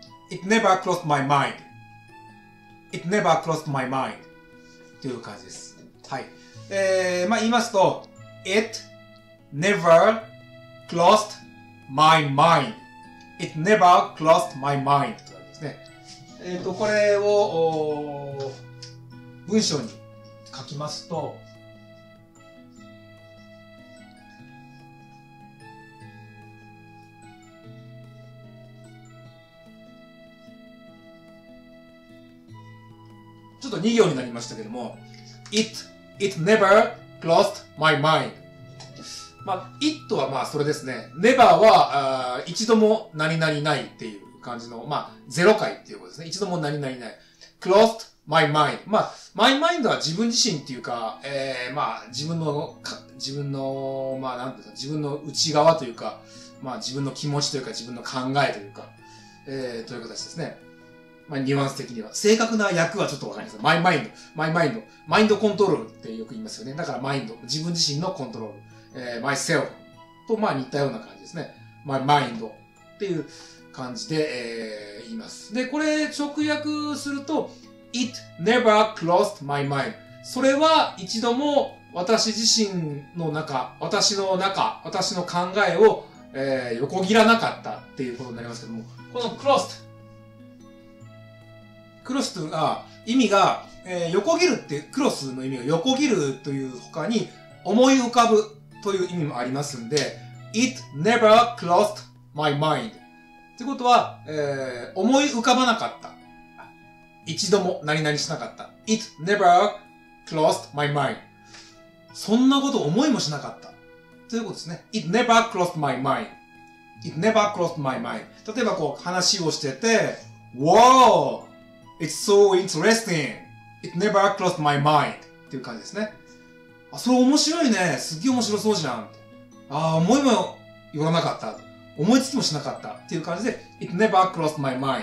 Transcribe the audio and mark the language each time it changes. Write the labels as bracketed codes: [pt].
[en] It never crossed my mind. It never crossed my mind. [ja] という感じです。はい。まあ、言いますと、 [en] It never crossed my mind. It never crossed my mind. [ja] とですね。これを文章に書きますと、ちょっと2行になりましたけども、 [en] It never crossed my mind. [ja] まあ、it はまあそれですね。never は、一度も何々ないっていう感じの、まあ、ゼロ回っていうことですね。一度も何々ない。 [en] closed my mind。 [ja] まあ、my mind は自分自身っていうか、まあ、自分の、まあ、なんていうか、自分の内側というか、まあ、自分の気持ちというか、自分の考えというか、という形ですね。まあ、ニュアンス的には。正確な訳はちょっとわかりません。 [en] my mind。 [ja] マインドコントロールってよく言いますよね。だから、mind。自分自身のコントロール。 myself と、まあ、似たような感じですね。my mind っていう感じで、言います。で、これ直訳すると、 [en] it never crossed my mind. [ja] それは一度も私自身の中、私の考えを、横切らなかったっていうことになりますけども、この crossed が意味が、横切るっていう、cross の意味が横切るという他に思い浮かぶ。という意味もありますんで、 [en] It never crossed my mind. [ja] ってことは、思い浮かばなかった。一度も何々しなかった。 [en] It never crossed my mind. [ja] そんなこと思いもしなかった。ということですね。 [en] It never crossed my mind. It never crossed my mind. [ja] 例えばこう話をしてて、Wow! [en] It's so interesting! It never crossed my mind. [ja] っていう感じですね。あ、それ面白いね。すっげえ面白そうじゃん。ああ、思いも言わなかった。思いつきもしなかった。っていう感じで、 [en] It never crossed my mind.